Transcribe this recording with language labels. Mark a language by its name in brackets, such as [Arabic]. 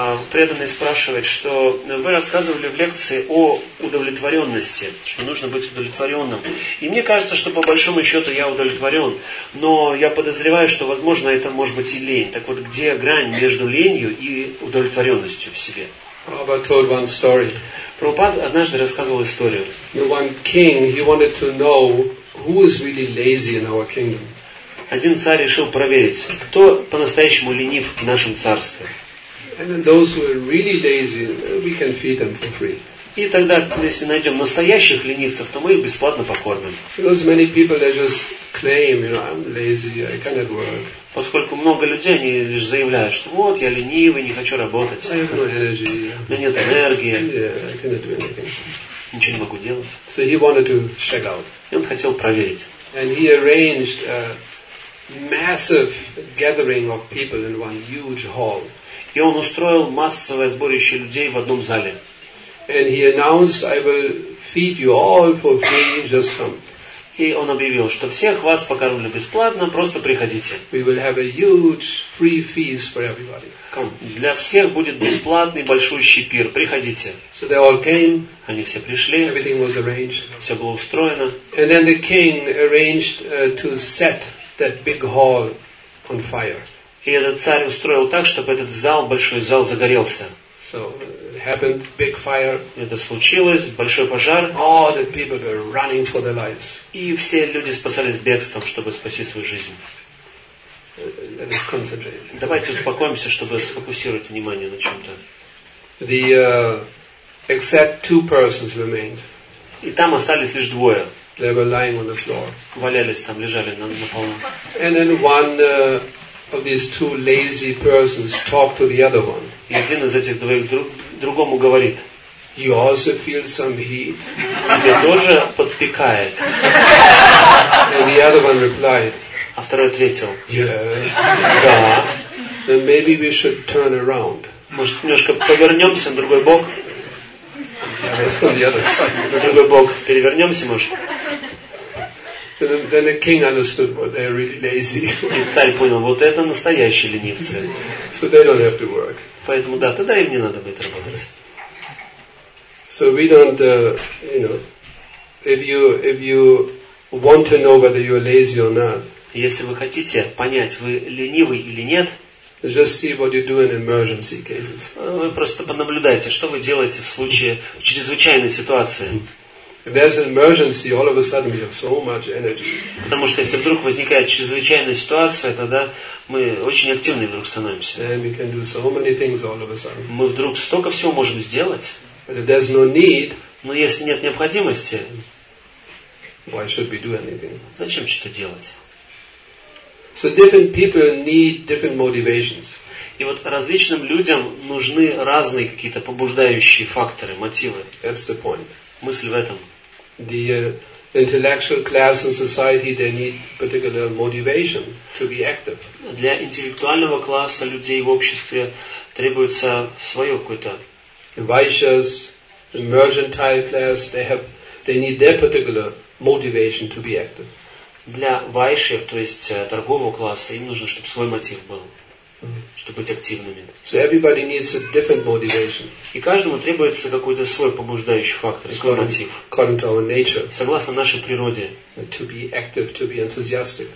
[Russian] Преданный спрашивает, что вы рассказывали в лекции о удовлетворенности, что нужно быть удовлетворенным. И мне кажется, что по большому счету я удовлетворен. Но я подозреваю, что, возможно, это может быть и лень. Так вот, где грань между ленью и удовлетворенностью в себе? [English] Robert told one story. [Russian] Прабхупада однажды рассказывал историю. [English] One king, he wanted to know who is really lazy in our kingdom. [Russian] Один царь решил проверить, кто по-настоящему ленив в нашем царстве. [English] And those who are really lazy, we can feed them for free. [Russian] И тогда, если найдем настоящих ленивцев, то мы их бесплатно покормим. [English] Because many people they just claim, you know, I'm lazy, I cannot work. [Russian] Поскольку много людей, они лишь заявляют, что вот, я ленивый, не хочу работать. [English] I have no energy. [Russian] У меня нет энергии. [English] Yeah, I cannot do anything. [Russian] Ничего не могу делать. [English] So he wanted to check out. [Russian] И он хотел проверить. [English] And he arranged a massive gathering of people in one huge hall. [Russian] И он устроил массовое сборище людей в одном зале. [English] And he announced, I will feed you all for free, just come. [Russian] И он объявил, что всех вас покормлю бесплатно, просто приходите. [English] We will have a huge free feast for everybody. Come. [Russian] Для всех будет бесплатный большущий пир. Приходите. [English] So they all came. [Russian] Они все пришли. [English] Everything was arranged. [Russian] Все было устроено. [English] And then the king arranged to set that big hall on fire. [Russian] И этот царь устроил так, чтобы этот зал, большой зал, загорелся. [English] So happened big fire. [Russian] Это случилось, большой пожар. [English] All the people were running for their lives. [Russian] И все люди спасались бегством, чтобы спасти свою жизнь. [English] Let us concentrate. [Russian] Давайте успокоимся, чтобы сфокусировать внимание на чем-то. [English] The except two persons remained. [Russian] И там остались лишь двое. [English] They were lying on the floor. [Russian] Валялись там, лежали на полу. [English] And then one of these two lazy persons talked to the other one. [Russian] И один из этих двоих другому говорит. [English] You also feel some heat. [Russian] Тебе тоже подпекает. [English] And the other one replied. [Russian] А второй ответил. [English] Yeah. [Russian] Да. [English] Then maybe we should turn around. [Russian] Может немножко повернемся на другой бок? На другой бок. Перевернемся, может? [English] Then the king understood what they are really lazy. [Russian] И царь понял, вот это настоящие ленивцы. [English] So they don't have to work. [Russian] Поэтому да, тогда им не надо будет работать. [English] So we don't, you know, if you want to know whether you are lazy or not. [Russian] Если вы хотите понять, вы ленивый или нет. [English] Just see what you do in emergency cases. [Russian] Вы просто понаблюдайте, что вы делаете в случае в чрезвычайной ситуации. [English] If there's an emergency, all of a sudden we have so much energy. [Russian] Потому что если вдруг возникает чрезвычайная ситуация, тогда мы очень активны вдруг становимся. [English] And we can do so many things all of a sudden. [Russian] Мы вдруг столько всего можем сделать. [English] But if there's no need, [Russian] но если нет необходимости, [English] why should we do anything? [Russian] Зачем что-то делать? [English] So different people need different motivations. [Russian] И вот различным людям нужны разные какие-то побуждающие факторы, мотивы. [English] That's the point. [Russian] Мысль в этом. [English] The intellectual class in society, they need particular motivation to be active. [Russian] Для интеллектуального класса людей в обществе требуется свое какое-то. [English] The vicious, the mercantile class, they need their particular motivation to be active. [Russian] Для вайшев, то есть торгового класса, им нужно, чтобы свой мотив был, чтобы быть активными. [English] So everybody needs a different motivation. [Russian] И каждому требуется какой-то свой побуждающий фактор, свой мотив. [English] According to our nature. [Russian] Согласно нашей природе. [English] To be active, to be enthusiastic.